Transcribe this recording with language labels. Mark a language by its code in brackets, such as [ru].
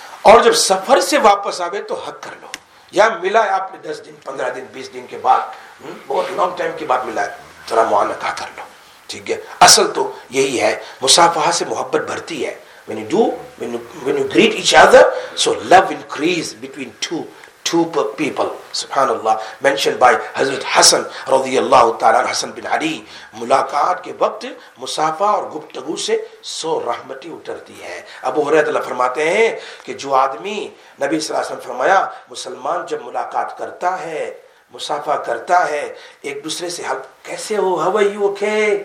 [ur] اور جب سفر سے واپس آوے تو حق کر لو. یا ملا ہے آپ نے 10 دن 15 دن 20 دن کے بعد, بہت [en] long time [ur] کے بعد ملا ہے, ذرا معانقہ کر لو. ٹھیک ہے, اصل تو یہی ہے, مصافحہ سے محبت بڑھتی ہے. [en] When you greet each other, so love increase between two people, subhanallah. Mentioned by Hazrat Hasan radiyallahu ta'ala, Hasan bin Ali, [ur] ملاقات کے وقت مصافحہ اور گفتگو سے 100 رحمتیں اترتی ہیں. ابو ہریرہ اللہ فرماتے ہیں کہ جو آدمی, نبی صلی اللہ علیہ وسلم فرمایا مسلمان جب ملاقات کرتا ہے, مصافحہ کرتا ہے ایک دوسرے سے, کیسے ہو, [en] how are you okay,